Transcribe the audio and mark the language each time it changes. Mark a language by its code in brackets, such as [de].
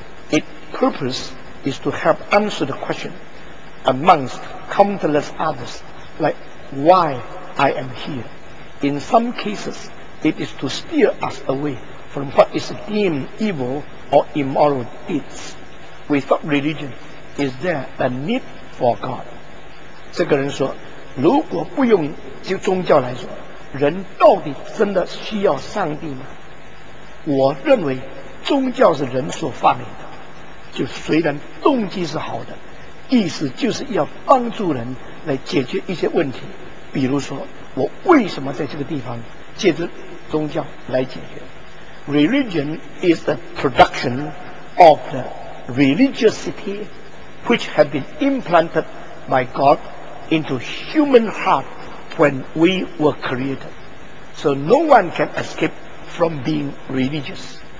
[en] Its purpose is to help answer the question amongst countless others, like why I am here. In some cases, it is to steer us away from what is deemed evil or immoral deeds. Without religion, is there a need for God? [zh] 这个人说，如果不用就宗教来说，人到底真的需要上帝吗？我认为宗教是人所发明的，就虽然动机是好的，意思就是要帮助人来解决一些问题，比如说我为什么在这个地方，借着宗教来解决。 [en] Religion is the production of the religiosity which have been implanted by Godinto human heart when we were created. So no one can escape from being religious.